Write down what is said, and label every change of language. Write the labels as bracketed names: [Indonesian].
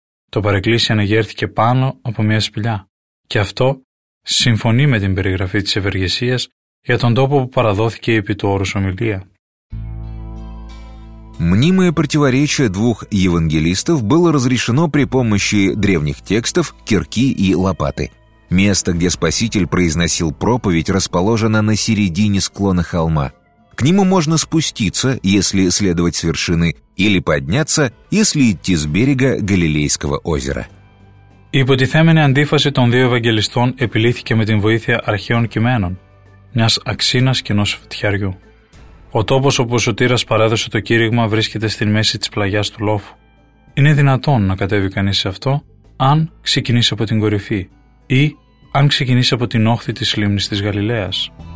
[Greek] Το παρεκκλήσι αναγέρθηκε πάνω από μια σπηλιά. Και αυτό συμφωνεί με την περιγραφή της Ευεργεσίας για τον τόπο που παραδόθηκε επί του όρους ομιλία. [Russian] Мнимое противоречие двух евангелистов было разрешено при помощи древних текстов, кирки и лопаты. Место, где Спаситель произносил проповедь, расположено на середине склона холма. К нему можно спуститься, если следовать с вершины, или подняться, если идти с берега Галилейского озера. [Greek] Η υποτιθέμενη αντίφαση των δύο ευαγγελιστών επιλύθηκε με την βοήθεια αρχαίων κειμένων, μιας αξίνας και ενός φτιαριού. Ο τόπος όπου ο Σωτήρας παρέδωσε το κήρυγμα βρίσκεται στη μέση της πλαγιάς του λόφου. Είναι δυνατόν να κατέβει κανείς σε αυτό, αν ξεκινήσει από την κορυφή ή αν ξεκινήσει από την όχθη της λίμνης της Γαλιλαίας.